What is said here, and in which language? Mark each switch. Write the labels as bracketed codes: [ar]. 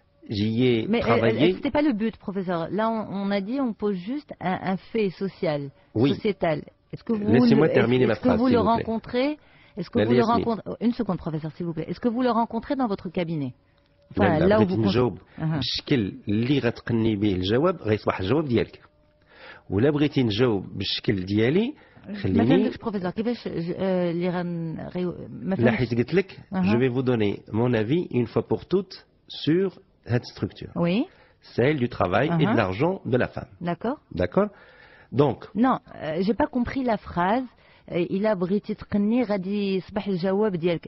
[fr] J'y ai mais travaillé. Mais ce n'était pas le but, professeur. Là, on a dit on pose juste un fait social, oui. Sociétal. Est-ce que vous laissez-moi terminer ma phrase, s'il vous plaît. Une seconde, professeur, s'il vous plaît. Est-ce que vous le rencontrez dans votre cabinet? Enfin, là où vous comptez. [ar] بشكل اللي غتقني به الجواب غيصبح الجواب ديالك. ولا بغيتي نجاوب بالشكل ديالي خليني. ما فهمتش professeur. كيفاش اللي لا حيت قلت لك [fr] je vais vous donner mon avis une fois pour toutes sur cette structure. Oui. Celle du travail et de l'argent de la femme. D'accord. Donc. Non, j'ai pas compris la phrase. Il a brité [ar] tkni radi sbah el jawab dialk.